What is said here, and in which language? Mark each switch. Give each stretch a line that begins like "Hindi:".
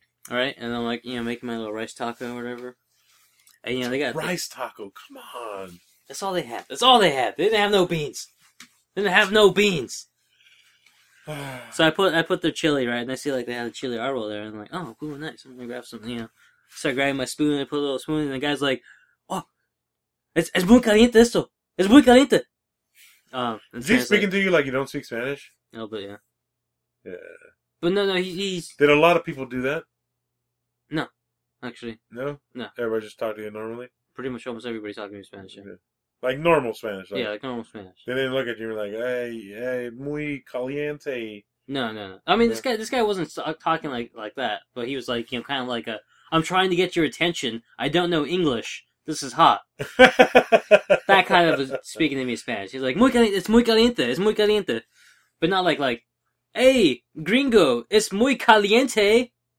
English: All right, and I'm like, you know, making my little rice taco or whatever. And, you know, they got... Rice taco, come on. That's all they have. That's all they have. They didn't have no beans. They didn't have no beans. So I put their chili, right? And I see, like, they had a chili arbol there. And I'm like, oh, cool, nice. I'm going to grab something, you know. Start grabbing my spoon. And I put a little spoon. And the guy's like, oh,
Spanish: es muy caliente esto. Es muy caliente.
English: Is he speaking to you like you don't speak Spanish? No, but yeah. Yeah. But no, he's... Did a lot of people do that? No, actually. No? No. Everybody just talked to you normally? Pretty much almost everybody's talking to me in Spanish, yeah. Like normal Spanish. Like, yeah, like normal Spanish. They didn't look at you and be like, hey,
Spanish: muy caliente.
English: No. I mean, this guy wasn't talking like that, but he was like, you know, kind of like I'm trying to get your attention. I don't know English. This is hot. That kind of speaking to me in Spanish. He's like,
Spanish: es muy caliente.
English: But not like, hey,
Spanish: gringo, es muy caliente.